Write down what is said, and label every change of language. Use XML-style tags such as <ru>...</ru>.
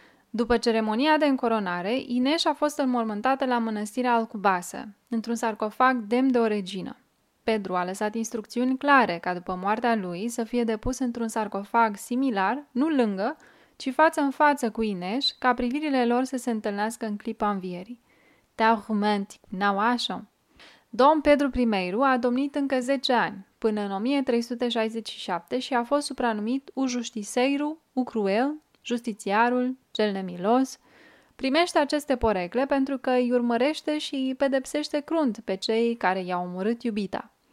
<ro>După ceremonia de încoronare, Inês a fost înmormântată la mănăstirea Alcubasă, într-un sarcofag demn de o regină. Pedro a lăsat instrucțiuni clare ca după moartea lui să fie depus într-un sarcofag similar, nu lângă, ci față în față cu Inês, ca privirile lor să se întâlnească în clipa învierii.</ro> <pt>tão romântico, não acham?</pt> <ro>Dom Pedro I a domnit încă 10 ani, până în 1367 și a fost supranumit</ro> <pt>o justiceiro, o cruel,</pt> <ro>justițiarul, cel nemilos. Primește aceste porecle pentru că îi urmărește și îi pedepsește crunt pe cei care i-au omorât iubita.</ro>